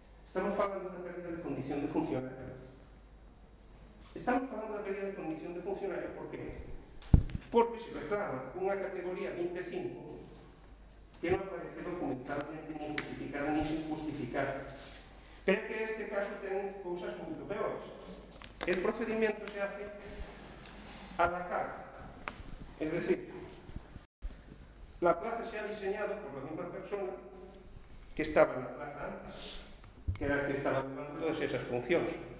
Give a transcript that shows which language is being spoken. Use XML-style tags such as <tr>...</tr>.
<gl>Estamos falando da pérdida de condición de funcionario. Estamos falando da pérdida de condición de funcionario, por que? Porque se reclama unha categoría 25 que non aparece documentalmente</gl> <es>ni justificada ni sin justificar.</es> <gl>Pero é que este caso ten cousas moito peores.</gl> <es>El procedimiento se hace a la carta. Es decir, la plaza se ha diseñado por la misma persona que estaba en la plaza antes, que era el que estaba tomando todas esas funciones.</es>